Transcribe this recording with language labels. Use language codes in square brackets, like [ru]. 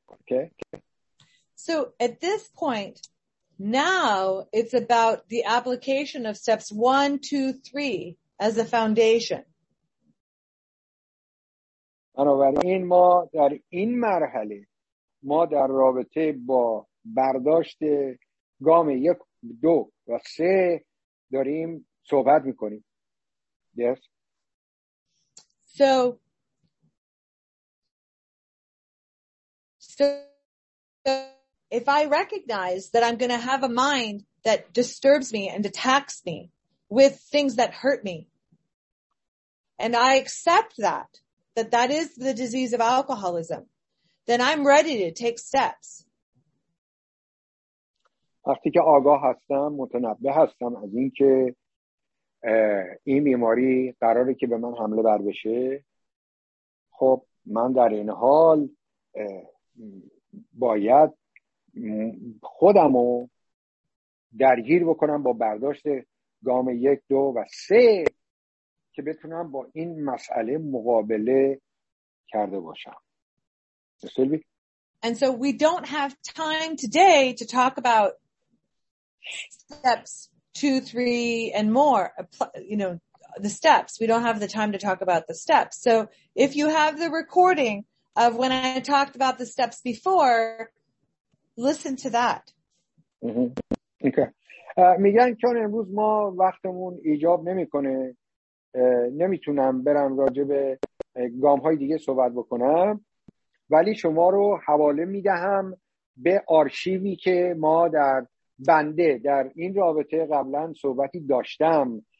[en] Okay. So at this point now it's about the application of steps 1, 2, 3 as a foundation. [fa] بنابراین ما در این مرحله ما در رابطه با برداشت گام 1, 2, و 3 داریم صحبت میکنیم. [en] Yes. So if I recognize that I'm going to have a mind that disturbs me and attacks me with things that hurt me, and I accept that is the disease of alcoholism, then I'm ready to take steps. [fa] وقتی که آگاه هستم، متنبه هستم از این که این بیماری قراره که به من حمله بر بشه، خب من در این حال باید خودمو درگیر بکنم با برداشت گام 1, 2, و 3 که بتونم با این مسئله مقابله کرده باشم. سلوی؟ [en] And so we don't have time today to talk about steps 2, 3 and more, you know, the steps. We don't have the time to talk about the steps. So if you have the recording of when I talked about the steps before, listen to that. [fa] میگن چون امروز ما وقتمون ایجاب نمیکنه، نمیتونم برم راجع به گام های دیگه صحبت بکنم، ولی شما رو حواله میدهم به آرشیوی که ما در بنده در این رابطه قبلا صحبتی داشتم.